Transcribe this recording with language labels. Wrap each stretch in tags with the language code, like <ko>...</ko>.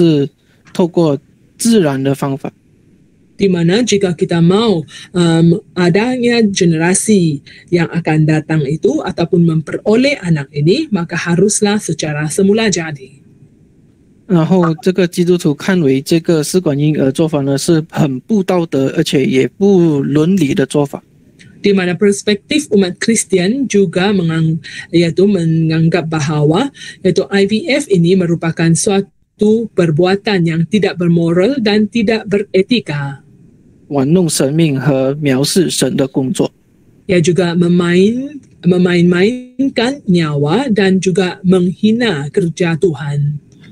<zh>因为神创造人类，还有就是讲，下一代就是要有孩子呢，是透过自然的方法。</zh> <ms>Di mana jika kita mau adanya generasi yang akan datang itu ataupun memperoleh anak ini, maka haruslah secara semula jadi.</ms> <zh>然后这个基督徒看为这个试管婴儿做法呢是很不道德，而且也不伦理的做法。</zh> <ms>Di mana perspektif umat Kristian juga menganggap bahwa yaitu IVF ini merupakan suatu perbuatan yang tidak bermoral dan tidak beretika.</ms> <zh>玩弄生命和藐视神的工作，</zh> <ms>ia juga memainkan nyawa dan juga menghina kerja Tuhan.</ms>